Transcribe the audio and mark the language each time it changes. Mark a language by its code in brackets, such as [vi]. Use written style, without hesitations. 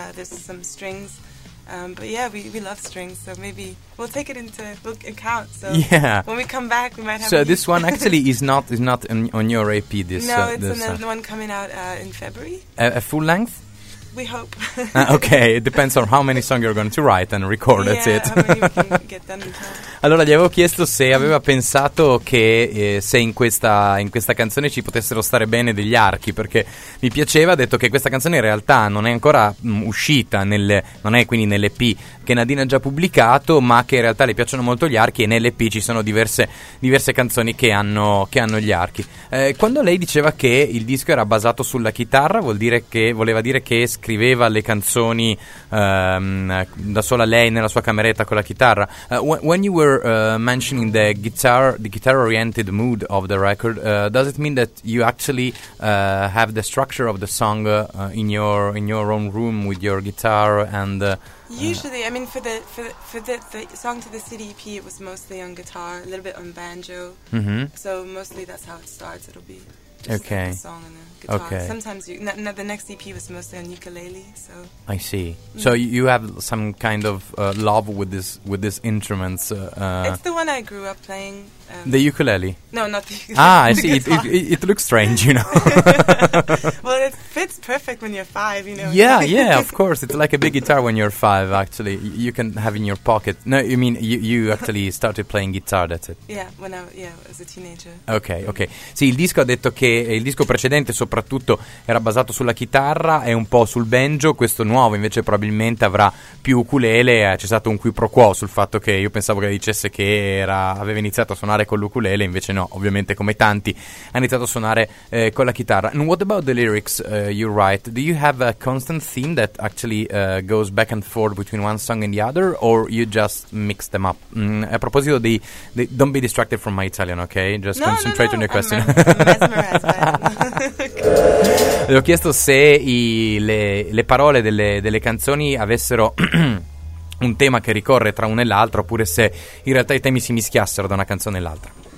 [en] There's some strings, but yeah, we love strings, so maybe we'll take it into account. So yeah, when we come back, we might have. So this one actually is not on your EP. This no, it's this another one coming out in February. A full length. We hope. Okay, it depends on how many songs you're going to write and record. Yeah, that's it. How many we can get done. [it] Allora, gli avevo chiesto se aveva pensato che se in questa canzone ci potessero stare bene degli archi, perché mi piaceva, ha detto che questa canzone in realtà non è ancora uscita, non è quindi nell'EP che Nadine ha già pubblicato, ma che in realtà le piacciono molto gli archi, e nell'EP ci sono diverse canzoni che hanno gli archi. Quando lei diceva che il disco era basato sulla chitarra, voleva dire che scriveva le canzoni da sola lei nella sua cameretta con la chitarra. [en] When you were mentioning the guitar oriented mood of the record, does it mean that you actually have the structure of the song in your own room with your guitar and usually I mean for the song to the city EP, it was mostly on guitar, a little bit on banjo. Mm-hmm. So mostly that's how it starts. It'll be just okay. Like a song and a guitar. Okay. Sometimes the next EP was mostly on ukulele. So I see. Mm. So you have some kind of love with this instruments. It's the one I grew up playing. The ukulele. No, not the ukulele. Ah, I see. It looks strange, you know. Well, it fits perfect when you're five, you know. Yeah, yeah. Of course, it's like a big guitar when you're five. Actually, you can have in your pocket. No, you mean you actually started playing guitar? That's it. Yeah, as a teenager. Okay, okay. [it] Sì, il disco ha detto che il disco precedente soprattutto era basato sulla chitarra e un po' sul banjo. Questo nuovo invece probabilmente avrà più ukulele. C'è stato un qui pro quo sul fatto che io pensavo che dicesse che aveva iniziato a suonare con l'ukulele, invece no, ovviamente come tanti ha iniziato a suonare con la chitarra. [en] And what about the lyrics you write? Do you have a constant theme that actually goes back and forth between one song and the other, or you just mix them up? [it] A proposito di [en] don't be distracted from my Italian, okay? Just no, concentrate no, no. on your question. Mesmerized. [it] Le ho chiesto se le parole delle canzoni avessero un tema che ricorre tra uno e l'altro, oppure se in realtà i temi si mischiassero da una canzone all'altra.